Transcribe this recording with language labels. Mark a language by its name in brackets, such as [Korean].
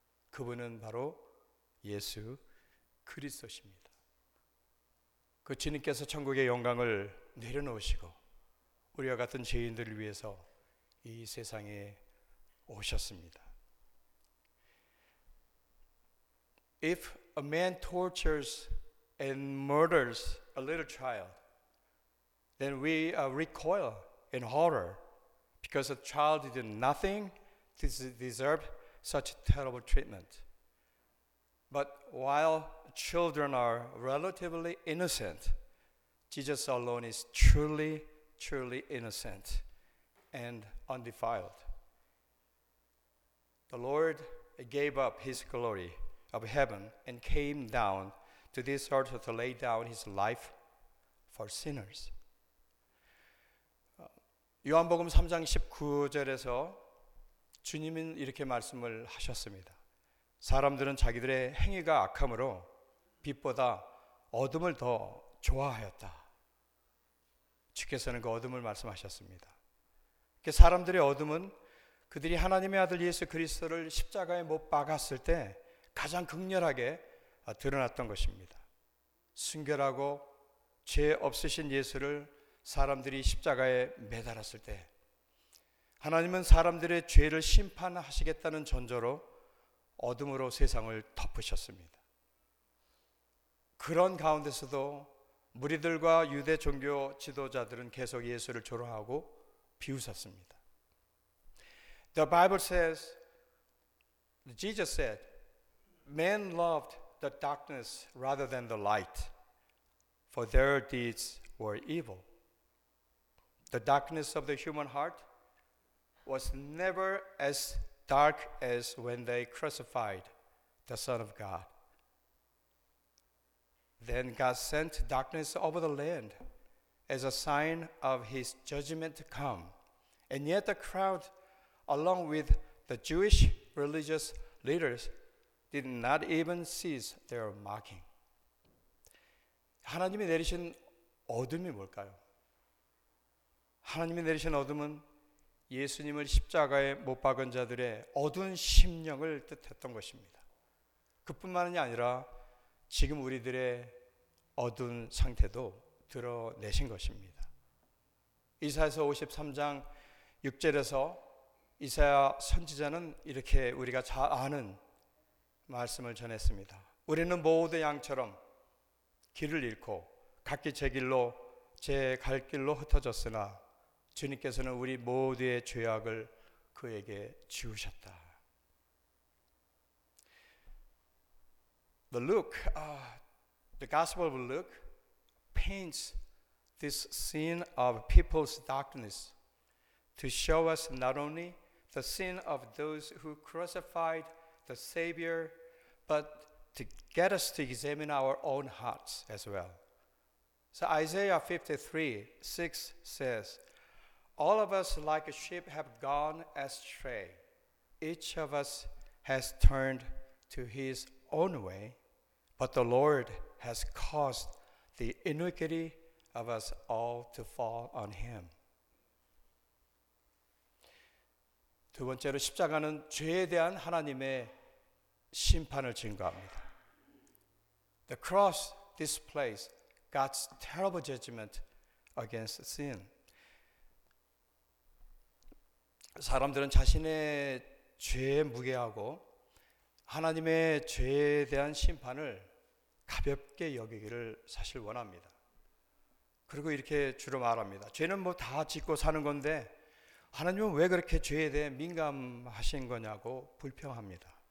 [Korean] 그분은 바로 예수 그리스도십니다. 그 주님께서 천국의 영광을 내려놓으시고 우리와 같은 죄인들을 위해서 이 세상에 오셨습니다. [English] If a man tortures and murders a little child, then we recoil in horror because the child did nothing to deserve such terrible treatment. But while children are relatively innocent, Jesus alone is truly, truly innocent and undefiled. The Lord gave up his glory of heaven and came down to this earth to lay down his life for sinners. [Korean] 요한복음 3장 19절에서 주님은 이렇게 말씀을 하셨습니다. 사람들은 자기들의 행위가 악함으로 빛보다 어둠을 더 좋아하였다. 주께서는 그 어둠을 말씀하셨습니다. 사람들의 어둠은 그들이 하나님의 아들 예수 그리스도를 십자가에 못 박았을 때 가장 극렬하게 드러났던 것입니다. 순결하고 죄 없으신 예수를 사람들이 십자가에 매달았을 때 하나님은 사람들의 죄를 심판하시겠다는 전조로 어둠으로 세상을 덮으셨습니다. 그런 가운데서도 무리들과 유대 종교 지도자들은 계속 예수를 조롱하고 비웃었습니다. [English] The Bible says, Jesus said, Men loved the darkness rather than the light, for their deeds were evil. The darkness of the human heart was never as dark as when they crucified the Son of God. Then God sent darkness over the land as a sign of his judgment to come. And yet the crowd, along with the Jewish religious leaders, did not even cease their mocking. [Korean] 하나님이 내리신 어둠이 뭘까요? 하나님이 내리신 어둠은 예수님을 십자가에 못 박은 자들의 어두운 심령을 뜻했던 것입니다. 그뿐만이 아니라 지금 우리들의 어두운 상태도 드러내신 것입니다. 이사야서 53장 6절에서 이사야 선지자는 이렇게 우리가 잘 아는 말씀을 전했습니다. 우리는 모든 양처럼 길을 잃고 각기 제 길로 제 갈 길로 흩어졌으나 주님께서는 우리 모두의 죄악을 그에게 지우셨다. [English] The Gospel of Luke paints this scene of people's darkness to show us not only the sin of those who crucified the Savior, but to get us to examine our own hearts as well. So Isaiah 53:6 says, "All of us like a sheep have gone astray. Each of us has turned to his own way, but the Lord has caused the iniquity of us all to fall on him." [Korean] 두 번째로 십자가는 죄에 대한 하나님의 심판을 증거합니다. [English] The cross displays God's terrible judgment against sin. [Korean] 사람들은 자신의 죄에 무게하고 하나님의 죄에 대한 심판을 가볍게 여기기를 사실 원합니다. 그리고 이렇게 주로 말합니다. 죄는 뭐 다 짓고 사는 건데 하나님은 왜 그렇게 죄에 대해 민감하신 거냐고 불평합니다.